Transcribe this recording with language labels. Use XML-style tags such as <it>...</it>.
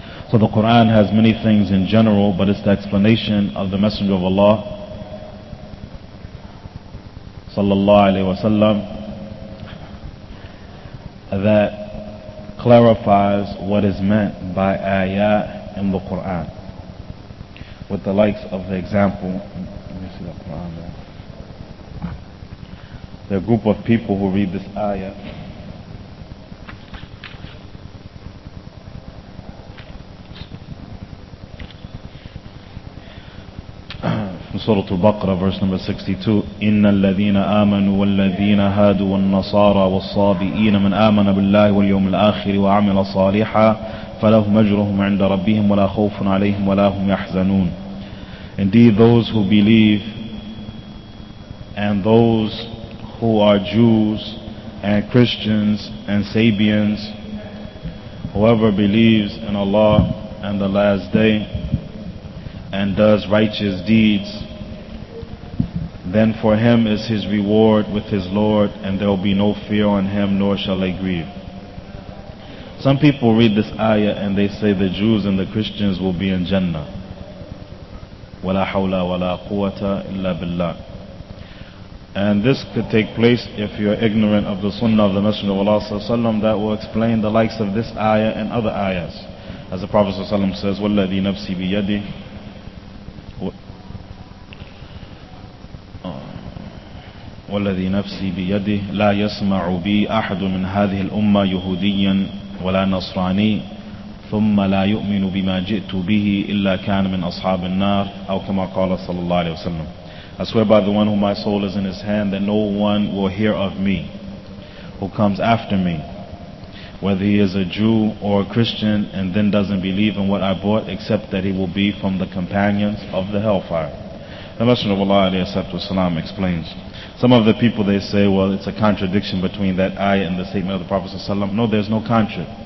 <en>So the Quran has many things in general, but it's the explanation of the Messenger of Allah sallallahu alaihi wasallam that clarifies what is meant by ayat in the Quran, with the likes of the example, let me see the Quran there. The group of people who read this ayat, سورة البقرة verse number 62,</en> <ar>إِنَّ الَّذِينَ آمَنُوا وَالَّذِينَ هَادُوا وَالنَّصَارَى وَالصَّابِئِينَ مَنْ آمَنَ بِاللَّهِ وَالْيَوْمِ الْآخِرِ وَعَمِلَ صَالِحًا فلهم مجرهم عند ربهم ولا خوف عليهم ولا هم يحزنون.</ar> <en>Indeed, those who believe and those who are Jews and Christians and Sabians, whoever believes in Allah and the last day and does righteous deeds, then for him is his reward with his Lord, and there will be no fear on him, nor shall they grieve. Some people read this ayah and they say the Jews and the Christians will be in Jannah.</en> <ar>وَلَا حَوْلَ وَلَا قُوَّةَ إِلَّا بِاللَّهِ.</ar> <en>And this could take place if you're ignorant of the sunnah of the Messenger of Allah sallallahu alaihi wasallam, that will explain the likes of this ayah and other ayahs. As the Prophet sallallahu alaihi wasallam says,</en> <ar>وَالَّذِي نَفْسِي بِيَدِهِ. والذي نفسي بيده لا يسمع بي أحد من هذه الأمة يهوديا ولا نصراني ثم لا يؤمن بما جئت به إلا كان من أصحاب النار أو كما قال صلى الله عليه وسلم.</ar> <en>I swear by the one whom my soul is in his hand that no one will hear of me who comes after me, whether he is a Jew or a Christian and then doesn't believe in what I brought, except that he will be from the companions of the hellfire. The Messenger of Allah explains. Some of the people, they say, well, it's a contradiction between that ayah and the statement of the Prophet ﷺ. No, there's no contradict.</en>